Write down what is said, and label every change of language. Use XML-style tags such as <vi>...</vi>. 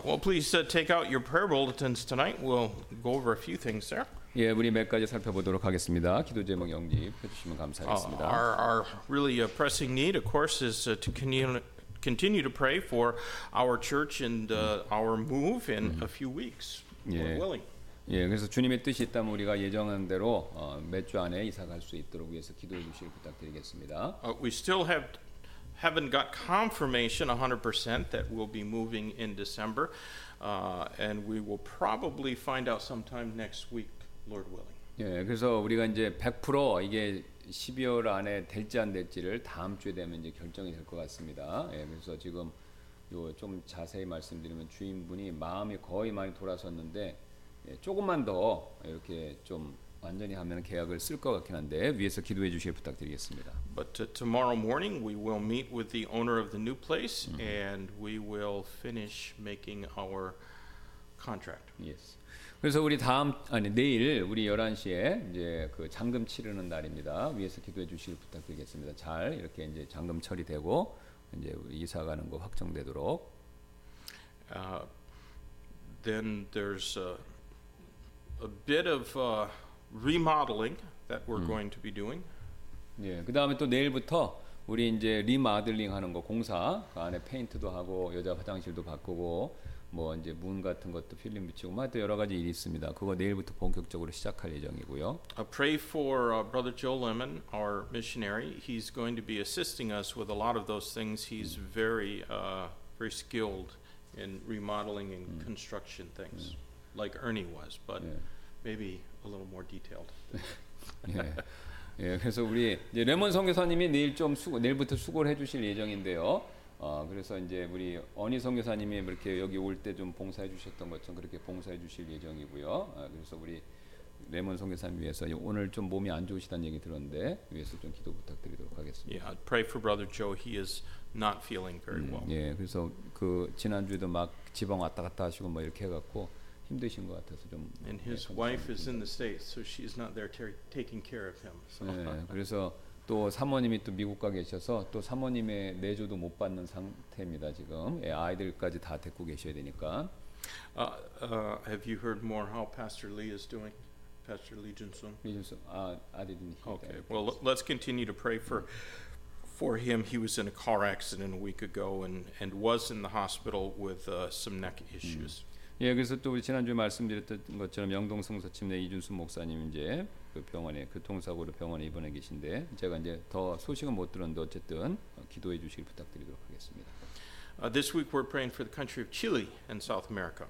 <en>Well, please take out your prayer bulletins tonight. We'll go over a few things there.</en> <ko>예, 우리 몇 가지 살펴보도록 하겠습니다. 기도 제목 영립 해주시면 감사하겠습니다.</ko> <en>Our really a pressing need, of course, is to continue to pray for our church and our move in a few weeks. We're willing.</en> <ko>예, 그래서 주님의 뜻이 있다면 우리가 예정한 대로 몇 주 안에 이사 갈 수 있도록 위해서 기도해 주시길 부탁드리겠습니다.</ko> <en>We still haven't got confirmation 100% that we'll be moving in December, and we will probably find out sometime next week, Lord willing.</en> <ko>예, 그래서 우리가 이제 100% 이게 12월 안에 될지 안 될지를 다음 주에 되면 이제 결정이 될 것 같습니다. 예, 그래서 지금 요 좀 자세히 말씀드리면 주인분이 마음이 거의 많이 돌아섰는데. 예, 조금만 더 이렇게 좀 완전히 하면 계약을 쓸 것 같긴 한데 위에서 기도해 주시길 부탁드리겠습니다.</ko> <en>But tomorrow morning we will meet with the owner of the new place and we will finish making our contract. Yes.</en> <ko>그래서 우리 다음 아니 내일 우리 11시에 이제 그 잔금 치르는 날입니다. 위에서 기도해 주시길 부탁드리겠습니다. 잘 이렇게 이제 잔금 처리되고 이제 이사 가는 거 확정되도록.</ko> <en>Then there's a bit of remodeling that we're going to be doing.</en> <ko>예, 그 다음에 또 내일부터 우리 이제 리마들링 하는 거 공사 그 안에 페인트도 하고 여자 화장실도 바꾸고 뭐 이제 문 같은 것도 필름 붙이고 뭐 여러 가지 일이 있습니다. 그거 내일부터 본격적으로 시작할 예정이고요.</ko> <en>I pray for Brother Joe Lemon, our missionary. He's going to be assisting us with a lot of those things. He's very skilled in remodeling and construction things. Like Ernie was, but maybe a little more detailed.</en> <ko>예, 그래서 우리 이제 레몬 선교사님이 내일 좀 내일부터 수고를 해주실 예정인데요. 그래서 이제 우리 어니 선교사님이 이렇게 여기 올 때 좀 봉사해 주셨던 것처럼 그렇게 봉사해 주실 예정이고요. 그래서 우리 레몬 선교사님 위해서 오늘 좀 몸이 안 좋으시다는 얘기 들었는데 위해서 좀 기도 부탁드리도록 하겠습니다.</ko> <en>Yeah, I'd pray for Brother Joe. He is not feeling very well.</en> <ko>예, 그래서 그 지난 주에도 막 지방 왔다 갔다 하시고 뭐 이렇게 해갖고. 힘드신 것 같아서 좀</ko> <en>And his 네, wife is in the States, so she's not there taking care of him. So.</en> <ko>네, 그래서 또 사모님이 또 미국 가 계셔서 또 사모님의 내조도 못 받는 상태입니다 지금. 예, 아이들까지 다 데리고 계셔야 되니까.</ko> <en>Have you heard more how Pastor Lee is doing, Pastor Lee Jun Sung? Lee Jun Sung, I didn't hear that. Okay, well, let's continue to pray for him. He was in a car accident a week ago and was in the hospital with some neck issues.</en> <ko>예, 그래서 또 우리 지난주에 말씀드렸던 것처럼 영동 성서 침례 이준수 목사님 이제 그 병원에 교통사고로 병원에 입원해 계신데 제가 이제 더 소식은 못 들었는데 어쨌든 기도해 주시길 부탁드리도록 하겠습니다.</ko> <en>This week we're praying for the country of Chile and South America.</en>